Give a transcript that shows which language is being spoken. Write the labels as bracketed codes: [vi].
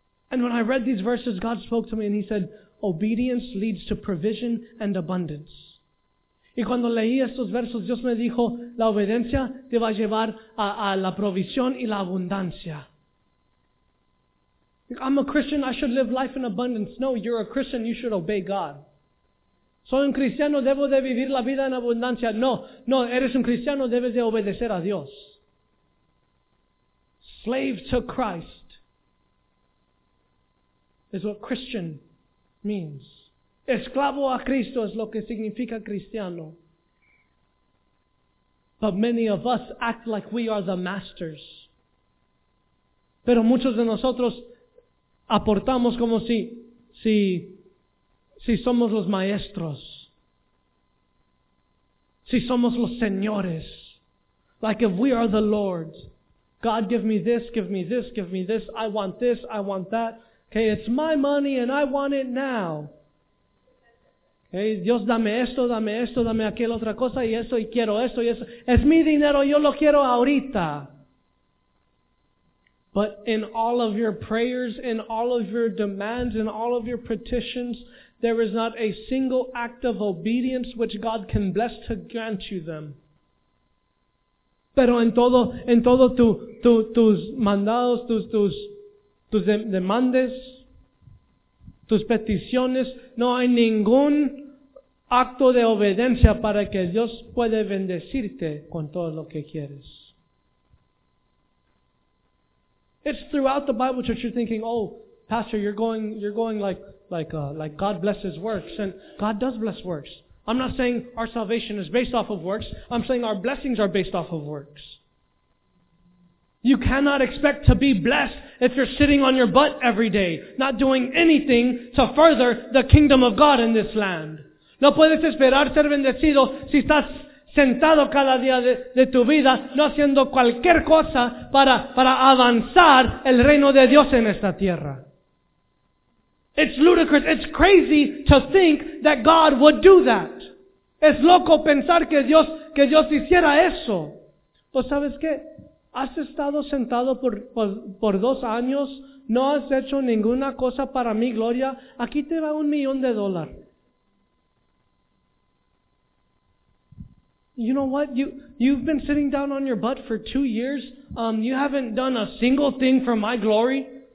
[en] And when I read these verses, God spoke to me and He said, obedience leads to provision and abundance. [es] Y cuando leí estos versos, Dios me dijo, la obediencia te va a llevar a la provisión y la abundancia. [en] I'm a Christian, I should live life in abundance. No, you're a Christian, you should obey God. [es] Soy un cristiano, debo de vivir la vida en abundancia. No, eres un cristiano, debes de obedecer a Dios. [en] Slave to Christ is what Christian means. [es] Esclavo a Cristo es lo que significa cristiano. [en] But many of us act like we are the masters. [es] Pero muchos de nosotros aportamos como si somos los maestros. Si somos los señores. [en] Like if we are the lords. God, give me this, give me this, give me this. I want this, I want that. Okay, it's my money and I want it now. [es] Hey, Dios, dame esto, dame aquella otra cosa, y eso, y quiero esto, y eso. Es mi dinero, yo lo quiero ahorita. [en] But in all of your prayers, in all of your demands, in all of your petitions, there is not a single act of obedience which God can bless to grant you them. [es] Pero en todo tus mandados, tus demandes, tus peticiones, no hay ningún acto de obediencia para que Dios pueda bendecirte con todo lo que quieres. [en] It's throughout the Bible, church, you're thinking, oh, pastor, you're going like God blesses works. And God does bless works. I'm not saying our salvation is based off of works. I'm saying our blessings are based off of works. You cannot expect to be blessed if you're sitting on your butt every day, not doing anything to further the kingdom of God in this land. [es] No puedes esperar ser bendecido si estás sentado cada día de tu vida no haciendo cualquier cosa para avanzar el reino de Dios en esta tierra. [en] It's ludicrous. It's crazy to think that God would do that. [es] Es loco pensar que Dios hiciera eso. Pues ¿sabes qué? Has estado sentado por 2 años, no has hecho ninguna cosa para mi gloria, aquí te va $1,000,000. [en] You know what? You've been sitting down on your butt for 2 years. You haven't done a single thing for my glory.